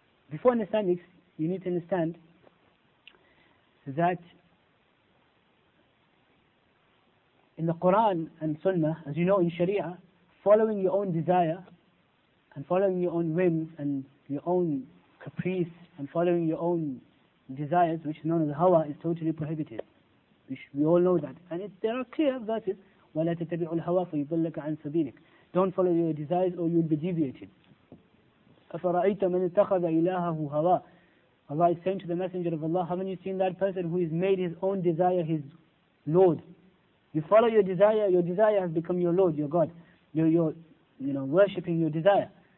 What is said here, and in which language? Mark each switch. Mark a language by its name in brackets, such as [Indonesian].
[English] Before understanding, you need to understand that in the Quran and Sunnah, as you know in Sharia, following your own desire and following your own whims and your own caprice and following your own desires, which is known as hawa, is totally prohibited. We all know that. And there are clear verses, [Arabic] وَلَا تَتَبِعُ الْهَوَى فَيُضِلَّكَ عَنْ سَبِيلِكَ. [English] Don't follow your desires or you'll be deviated. [Arabic] أَفَرَأَيْتَ مَنْ اتَّخَذَ إِلَاهَهُ هَوَى. [English] Allah is saying to the Messenger of Allah, haven't you seen that person who has made his own desire his Lord? You follow your desire has become your Lord, your God. You're worshipping your desire.